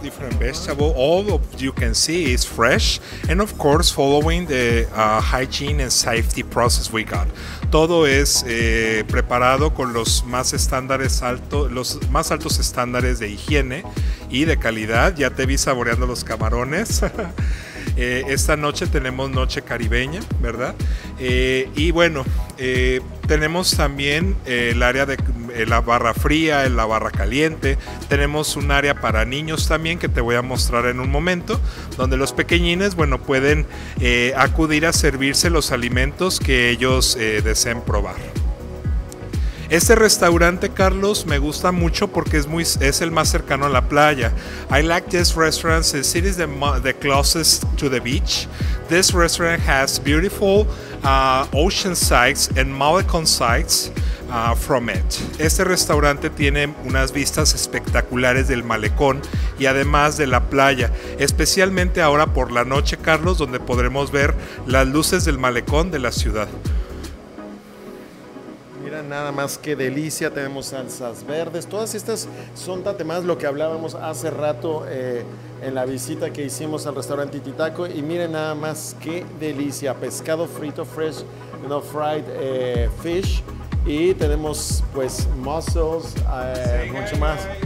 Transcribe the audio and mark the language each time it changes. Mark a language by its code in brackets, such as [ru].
[en] Different vegetable, all of you can see is fresh. And of course, following the hygiene and safety process we got. [es] Todo es preparado con los más estándares altos, los más altos estándares de higiene y de calidad. Ya te vi saboreando los camarones. esta noche tenemos noche caribeña, ¿verdad? Y bueno, tenemos también el área de la barra fría, la barra caliente. Tenemos un área para niños también que te voy a mostrar en un momento, donde los pequeñines, bueno, pueden acudir a servirse los alimentos que ellos deseen probar. Este restaurante, Carlos, me gusta mucho porque es el más cercano a la playa. [en] I like this restaurant since it is the closest to the beach. This restaurant has beautiful ocean sights and malecon sights from it. [es] Este restaurante tiene unas vistas espectaculares del malecón y además de la playa, especialmente ahora por la noche, Carlos, donde podremos ver las luces del malecón de la ciudad. Mira nada más qué delicia, tenemos salsas verdes, todas estas son tatemadas, lo que hablábamos hace rato en la visita que hicimos al restaurante Tiki Taco, y miren nada más qué delicia, pescado frito, [en] fresh, [es] no [en] fried fish, [es] y tenemos pues mussels, mucho más.